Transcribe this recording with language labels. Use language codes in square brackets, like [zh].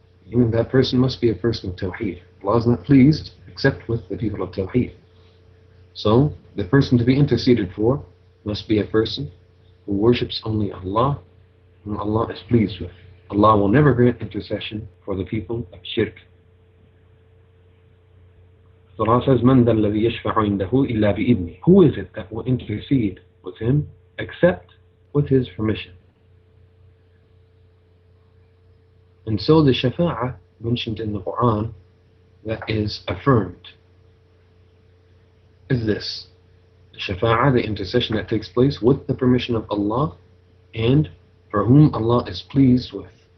[en] Even that person must be a person of tawheed. Allah is not pleased except with the people of Tawheed. So, the person to be interceded for must be a person who worships only Allah, whom Allah is pleased with. Allah will never grant intercession for the people of shirk. Surah says, [ar] من ذا الذي يشفع عنده إلا بإذنه. [en] Who is it that will intercede with him except with his permission? And so the shafa'a mentioned in the Quran that is affirmed is this, the shafa'a, the intercession that takes place with the permission of Allah and for whom Allah is pleased with.